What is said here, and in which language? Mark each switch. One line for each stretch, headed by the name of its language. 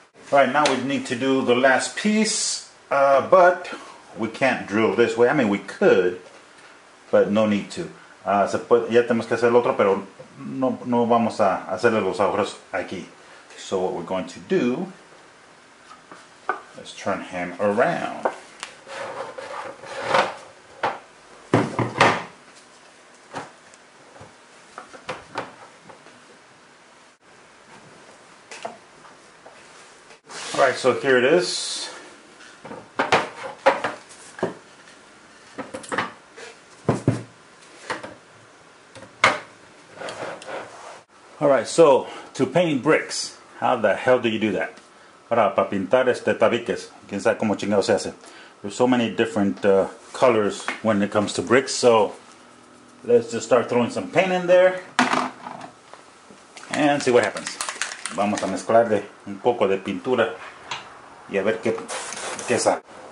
English: All right, now we need to do the last piece, but We can't drill this way. I mean, we could, but no need to.
Spanish: Se puede, ya tenemos que hacer el otro, pero no vamos a hacerle los agujeros aquí.
English: So what we're going to do, let's turn him around. All right, so here it is. All right, so to paint bricks, how the hell do you do that?
Spanish: Ahora, para pintar este tabiques, quién sabe cómo chingado se hace.
English: There's so many different colors when it comes to bricks, so let's just start throwing some paint in there and see what happens.
Spanish: Vamos a mezclarle un poco de pintura y a ver qué sale.